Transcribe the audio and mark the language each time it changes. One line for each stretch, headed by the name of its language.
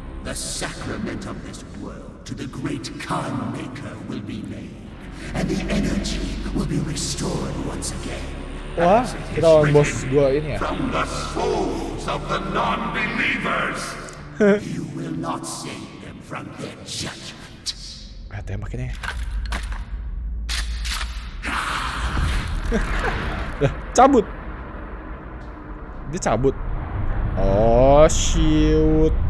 English: The sacrament of this world to the great Khan Maker will be made, and the energy will be restored once again.
Indonesian: Wah, kita lawan bos gua ini ya.
English: From the souls of the non-believers. You will not save them from their judgment.
Indonesian: Ah, tembak ini. Cabut. Dia cabut.
English: Oh, shoot.